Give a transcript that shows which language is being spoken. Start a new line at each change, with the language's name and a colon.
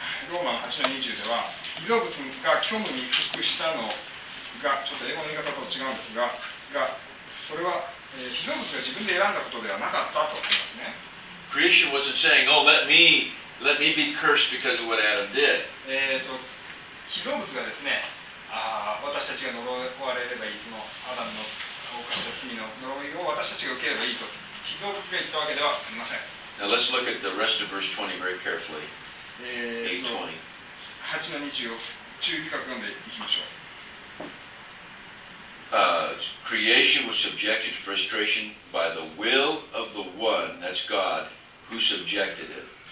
Japanese: ローマの8の20では、偽造物が虚無に服したのが、ちょっと英語の言い方と違うんですが、それは、偽造物が自分で選んだことではなかったと思いますね。
English: Creation wasn't saying, oh, let me be cursed because of what Adam did.
Japanese: 偽造物がですね、私たちが呪われればいい、そのアダムの犯した罪の呪いを私たちが受ければいいと、偽造物が言ったわけではありません。
English: Now let's look at the rest of verse 20 very carefully.
Japanese: 8:20. 8:20 を注意深く読んでいきましょう。
English: Creation was subjected to frustration by the will of the one, that's God, who subjected it.